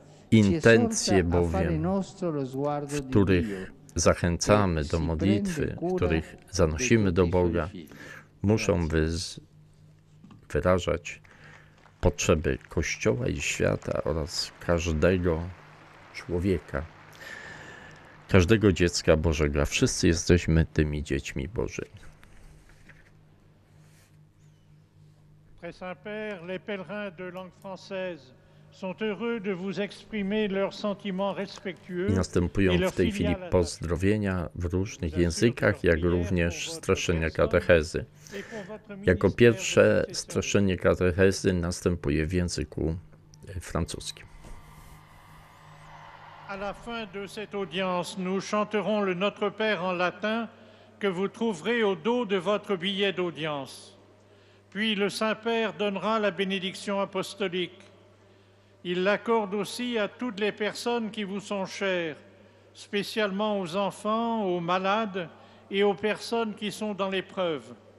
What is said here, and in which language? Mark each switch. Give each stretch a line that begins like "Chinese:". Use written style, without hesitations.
Polish: Intencje bowiem, w których zachęcamy do modlitwy, w których zanosimy do Boga, muszą wyrażać potrzeby Kościoła i świata oraz każdego człowieka, każdego dziecka Bożego. A wszyscy jesteśmy tymi dziećmi Bożymi.
French: Après Saint-Père, les pèlerins de langue française sont heureux de vous exprimer leurs sentiments respectueux.
Polish: I następują w tej chwili pozdrowienia w różnych językach, jak również streszczenia katechezy. Jako pierwsze streszczenie katechezy następuje w języku francuskim.
French: À la fin de cette audience, nous chanterons le Notre Père en latin que vous trouverez au dos de votre billet d'audience. Puis le Saint-Père donnera la bénédiction apostolique. Il l'accorde aussi à toutes les personnes qui vous sont chères, spécialement aux enfants, aux malades et aux personnes qui sont dans l'épreuve.